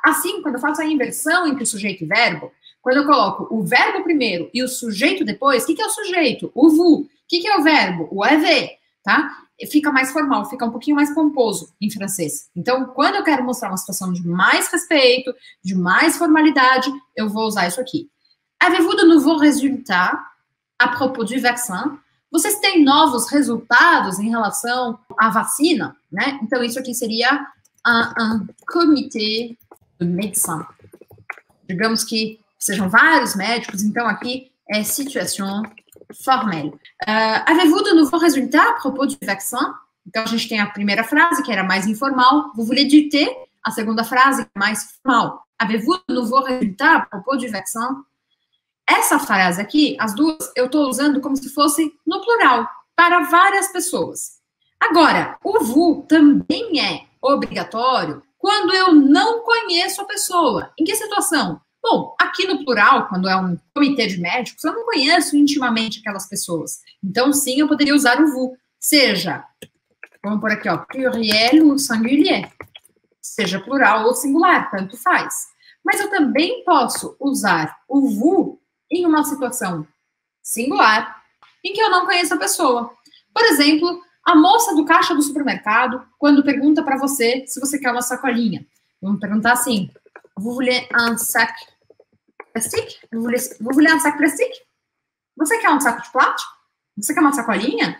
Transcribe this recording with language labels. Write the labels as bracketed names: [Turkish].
[Portuguese] Assim, quando eu faço a inversão entre sujeito e verbo, quando eu coloco o verbo primeiro e o sujeito depois, o que, que é o sujeito? O vous. O que, que é o verbo? O avez, tá? Fica mais formal, fica um pouquinho mais pomposo em francês. Então, quando eu quero mostrar uma situação de mais respeito, de mais formalidade, eu vou usar isso aqui. [French] Avez-vous de nouveaux résultats à propos du vaccin? [Portuguese] Vocês têm novos resultados em relação à vacina, né? Então, isso aqui seria [French] un comité de médecins. [Portuguese] Digamos que sejam vários médicos, então aqui é situação formelle. [French] Avez-vous de nouveaux résultats à propos du vaccin? [Portuguese] Então a gente tem a primeira frase, que era mais informal. [French] Vous voulez du thé? [Portuguese] A segunda frase, mais formal. [French] Avez-vous de nouveaux résultats à propos du vaccin? [Portuguese] Essa frase aqui, as duas, eu estou usando como se fosse no plural, para várias pessoas. Agora, o vous também é obrigatório quando eu não conheço a pessoa. Em que situação? Bom, aqui no plural, quando é um comitê de médicos, eu não conheço intimamente aquelas pessoas. Então, sim, eu poderia usar o vous. Seja, vamos por aqui, ó, [French] pluriel ou singulier. [Portuguese] Seja plural ou singular, tanto faz. Mas eu também posso usar o vous em uma situação singular em que eu não conheço a pessoa. Por exemplo, a moça do caixa do supermercado, quando pergunta para você se você quer uma sacolinha. Vamos perguntar assim... [French] Vous voulez un sac plastique? Vous voulez un sac plastique? [Portuguese] Você quer um saco de plástico? Você quer uma sacolinha?